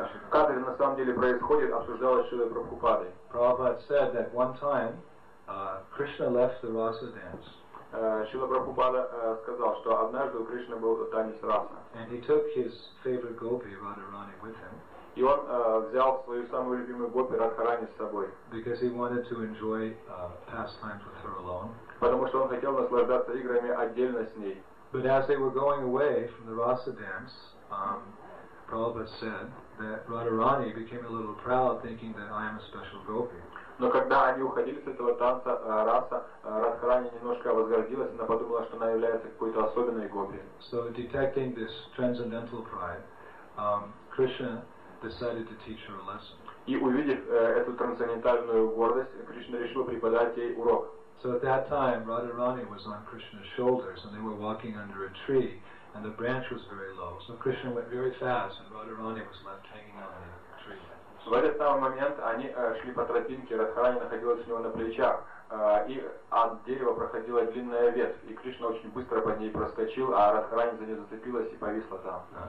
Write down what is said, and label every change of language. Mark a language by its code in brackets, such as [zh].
[ru] Как это на самом деле происходит, обсуждалось Шрилой Прабхупадой. [en] Prabhupada said that one time Krishna left the Rasa dance. [ru] Шрила Прабхупада сказал, что однажды у Кришны был танец Раса. [en] And he took his favorite gopi Radharani with him. [ru] И он взял свою самую любимую гопи Радхарани с собой. [en] Because he wanted to enjoy pastimes with her alone. [ru] Потому что он хотел наслаждаться играми отдельно с ней. [en] But as they were going away from the Rasa dance, Prabhupada said that Radharani became a little proud, thinking that I am a special gopi. [ru] Но когда они уходили с этого танца раса, Радхарани немножко возгордилась, она подумала, что она является какой-то особенной гопи. [en] So detecting this transcendental pride, Krishna decided to teach her a lesson. [ru] И увидев эту трансцендентальную гордость, Кришна решил преподать ей урок. [en] So at that time, Radharani was on Krishna's shoulders, and they were walking under a tree. And the branch was very low, so Krishna went very fast, and Radharani was left hanging on a tree. [ru] В этот самый момент они шли по тропинке, Радхарани находилась у него на плечах, и от дерева проходила длинная ветвь, и Кришна очень быстро под ней проскочил, а Радхарани за нее зацепилась и повисла там.